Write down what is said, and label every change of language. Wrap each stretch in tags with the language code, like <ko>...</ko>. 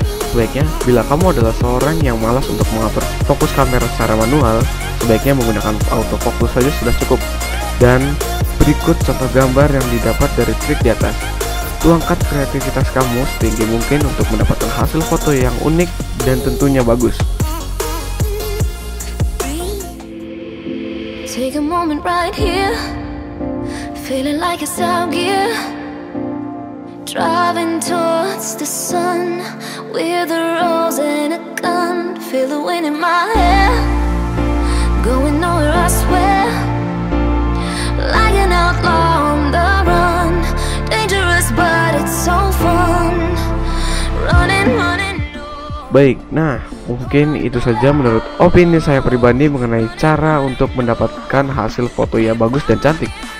<id>Sebaiknya, bila kamu adalah seorang yang malas untuk mengatur fokus kamera secara manual, sebaiknya menggunakan autofocus saja sudah cukup. Dan berikut contoh gambar yang didapat dari trik di atas. Tuangkan kreativitas kamu setinggi mungkin untuk mendapatkan hasil foto yang unik dan tentunya bagus.</id> <en>Take a moment right here, feeling like it's out here, driving towards the sun with a rose and a gun, feel the wind in my hair, going nowhere I swear, like an outlaw on the run, dangerous but it's so fun, running, running.</en> <id>Baik, nah mungkin itu saja menurut opini saya pribadi mengenai cara untuk mendapatkan hasil foto yang bagus dan cantik.</id>